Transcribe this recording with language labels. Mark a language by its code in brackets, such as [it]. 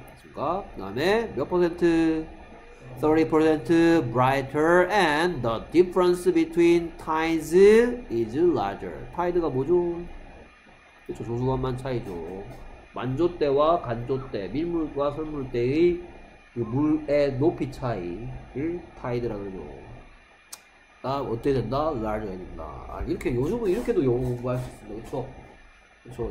[ko] 그니까, 그 다음에 몇 퍼센트? [en] 30% brighter and the difference between tides is larger. [ko] 타이드가 뭐죠? 그쵸, 조수간만 차이죠. 만조 때와 간조 때, 밀물과 설물 때의 그 물의 높이 차이를 타이드라 그러죠. 아, 어떻게 된다? Larger 해야 된다. 아, 이렇게, 요즘은 이렇게도 영어 공부할 수 있습니다. 그쵸? 그쵸?